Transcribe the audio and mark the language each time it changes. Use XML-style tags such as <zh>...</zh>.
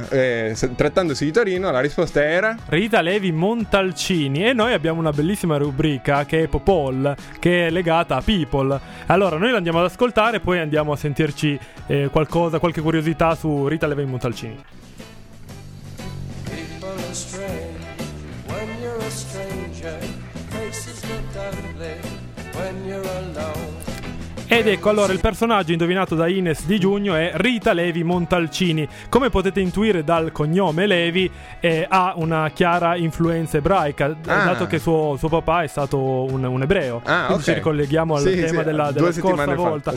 <it>Trattandosi di Torino, la risposta era Rita Levi Montalcini, e noi abbiamo una bellissima rubrica che è Popol, che è legata a People. Allora, noi l'andiamo ad ascoltare, poi andiamo a sentirci qualcosa, qualche curiosità su Rita Levi Montalcini.</it> <en>People are strange when you're a stranger, faces look ugly when you're alone.</en> <it>Ed ecco, allora, il personaggio indovinato da Ines Di Giugno è Rita Levi Montalcini. Come potete intuire dal cognome Levi, ha una chiara influenza ebraica, dato che suo papà è stato un ebreo. Ah, quindi okay, ci ricolleghiamo al tema della scorsa volta.</it>